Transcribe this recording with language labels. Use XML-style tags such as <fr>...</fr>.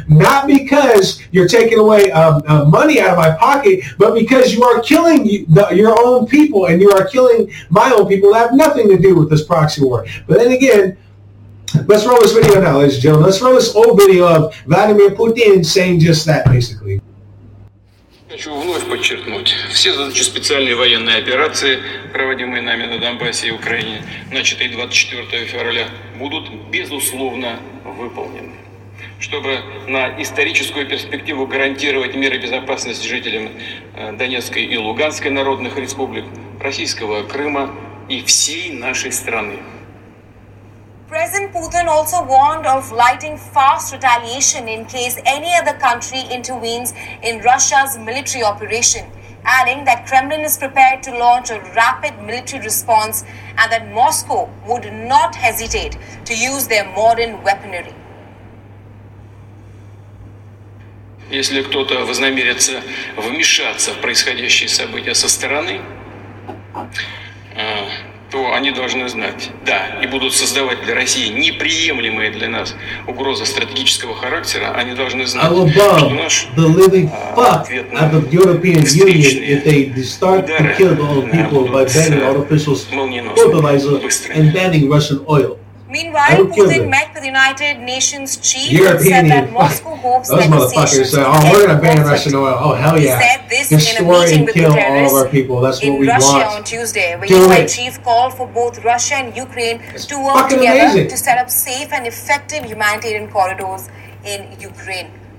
<en>Not because you're taking away money out of my pocket, but because you are killing your own people, and you are killing my own people that have nothing to do with this proxy war. But then again, let's roll this video now, ladies and gentlemen. Let's roll this old video of Vladimir Putin saying just that, basically.</en> <ru>Хочу вновь подчеркнуть, все задачи специальной военной операции, проводимые нами на Донбассе и Украине, начатые 24 февраля, будут безусловно выполнены. Чтобы на историческую перспективу гарантировать мир и безопасность жителям Донецкой и Луганской народных республик, российского Крыма и всей нашей страны.</ru> <en>President Putin also warned of lighting fast retaliation in case any other country intervenes in Russia's military operation, adding that Kremlin is prepared to launch a rapid military response and that Moscow would not hesitate to use their modern weaponry.</en> <ru>Если кто-то вознамерится вмешаться в происходящие события со стороны, то они должны знать. Да, и будут создавать для России неприемлемые для нас угрозы стратегического характера, они должны знать, что наш ответный удар молниеносный.</ru> <en>Meanwhile, Putin met with the United Nations chief and said that Moscow hopes that we're going to ban Russian oil. Oh, hell yeah. He said this in a meeting with the terrorists in Russia on Tuesday, where the UN chief called for both Russia and Ukraine to work together to set up safe and effective humanitarian corridors in Ukraine.</en>